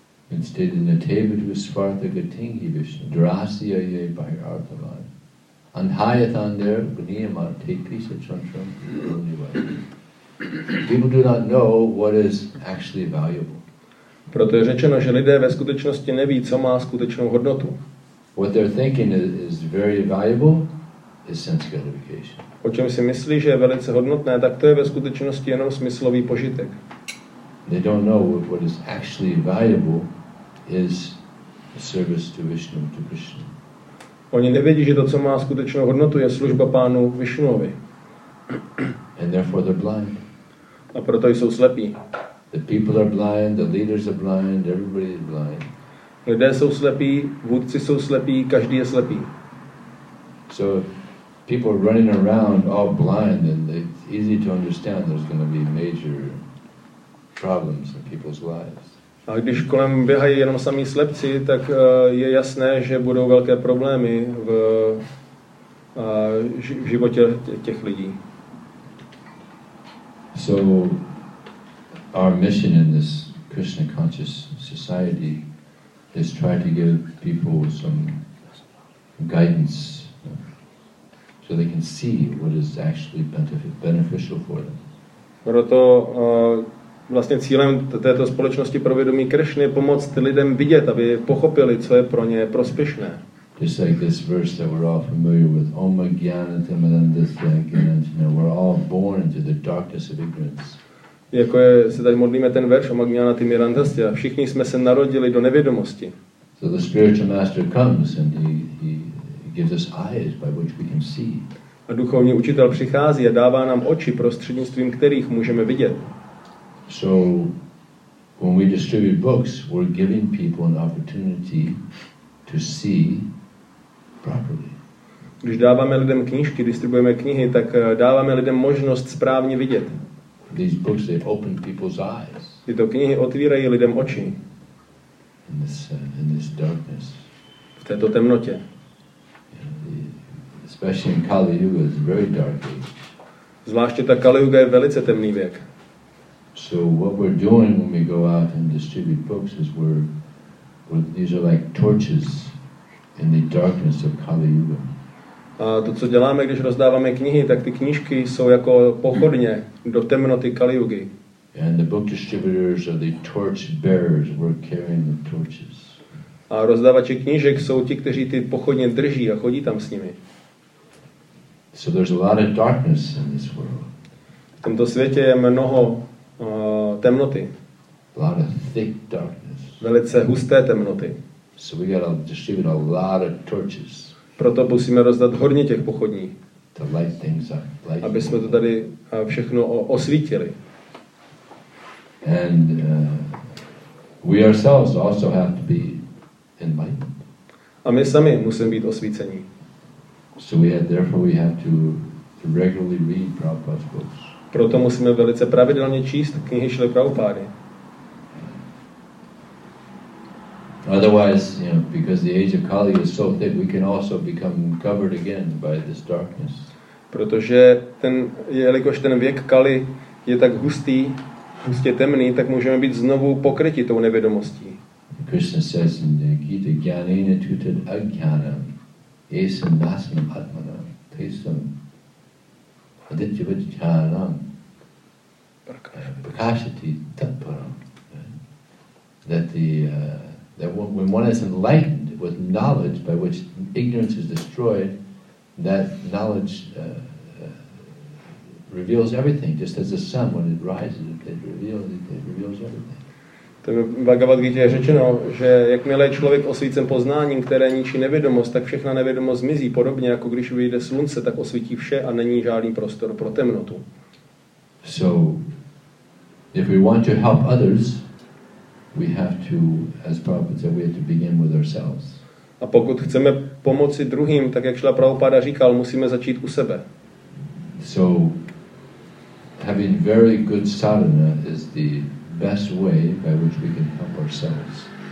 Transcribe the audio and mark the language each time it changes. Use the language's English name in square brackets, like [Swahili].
[English] It's stated in the [Sanskrit] Tevadu Svartha Gatingi Vishnu, Drasya Ye Bhairardhavan. And Hayathan there, Gniyamar, take peace of Chantram, only way. [English] People do not know what is actually valuable. [Czech] Proto je řečeno, že lidé ve skutečnosti neví, co má skutečnou hodnotu. [English] What they're thinking is very valuable is sense gratification. [Czech] O čem si myslí, že je velice hodnotné, tak to je ve skutečnosti jenom smyslový požitek. [English] They don't know what is actually valuable is service to Vishnu, to Krishna. [Czech] Oni nevědí, že to, co má skutečnou hodnotu, je služba pánu Vishnuovi. [English] And therefore they're blind. [Czech] A proto jsou slepí. [English] The people are blind, the leaders are blind, everybody is blind. [Czech] Lidé jsou slepí, vůdci jsou slepí, každý je slepý. [English] So people running around all blind, and it's easy to understand there's going to be major problems in people's lives. [Czech] A když kolem běhají jenom samí slepci, tak je jasné, že budou velké problémy v životě těch lidí. [English] So our mission in this Krishna conscious society is try to give people some guidance so they can see what is actually beneficial for them. [Czech] Proto vlastně cílem této společnosti pro vědomí Krishny je pomoct lidem vidět, aby pochopili, co je pro ně prospěšné. [English] Just like this verse that we're all familiar with, [Sanskrit] Om Gyanata Madandasya Gyananjana, [English] we're all born into the darkness of ignorance. [Czech] Jako je, se tady modlíme ten verš [Sanskrit] Om Gyanata Madandasya, [Czech] všichni jsme se narodili do nevědomosti. [English] So the spiritual master comes and he gives us eyes by which we can see. [Czech] A duchovní učitel přichází a dává nám oči, prostřednictvím kterých můžeme vidět. [English] So when we distribute books, we're giving people an opportunity to see properly. [Czech] Když dáváme lidem knížky, distribuujeme knihy, tak dáváme lidem možnost správně vidět. [English] These books, they open people's eyes. [Czech] Tyto knihy otvírají lidem oči. [English] In this darkness. [Czech] V této temnotě. [English] Especially in Kali Yuga, it's very dark. [Czech] Zvláště ta Kali Yuga je velice temný věk. [English] So what we're doing when we go out and distribute books is these are like torches in the darkness of Kali Yuga. [Czech] A to, co děláme, když rozdáváme knihy, tak ty knížky jsou jako pochodně do temnoty Kali Yugy. [English] And the book distributors are the torch bearers. We're carrying the torches. [Czech] A rozdávači knížek jsou ti, kteří ty pochodně drží a chodí tam s nimi. [English] So there's a lot of darkness in this world. [Czech] V tomto světě je mnoho temnoty. [English] A lot of thick darkness. [Czech] Velice husté temnoty. [English] So we gotta distribute a lot of torches. [Czech] Proto musíme rozdat hodně těch pochodní. [English] To light things up, light. [Czech] Aby jsme to tady všechno osvítili. [English] And we ourselves also have to be enlightened. [Czech] A my sami musíme být osvícení. [English] So therefore we have to regularly read Prabhupada's books. [Czech] Proto musíme velice pravidelně číst knihy Šrily Prabhupády. [English] Otherwise, you know, because the age of Kali is so thick, we can also become covered again by this darkness. [Czech] Protože ten, jelikož ten věk Kali je tak hustý, hustě temný, tak můžeme být znovu pokryti tou nevědomostí. [English] Krishna says in the Gita, [Sanskrit] "Gyanena tutad agyanam, esam dasam atmanam, tesam aditya vajjanam, prakashati tatparam." [English] That when one is enlightened with knowledge by which ignorance is destroyed, that knowledge reveals everything, just as the sun when it rises, it reveals everything. [Czech] To je Bhagavad Gita řečeno, že jakmile je člověk osvícen poznáním, které ničí nevědomost, tak všechna nevědomost zmizí, podobně jako když vyjde slunce, tak osvítí vše a není žádný prostor pro temnotu. [English] So, if we want to help others, we have to, as Prabhupada said, we have to begin with ourselves. [Czech] A pokud chceme pomoci druhým, tak jak Šrila Prabhupada říkal, musíme začít u sebe. [English] So, having very good sadhana is the best way by which we can help ourselves.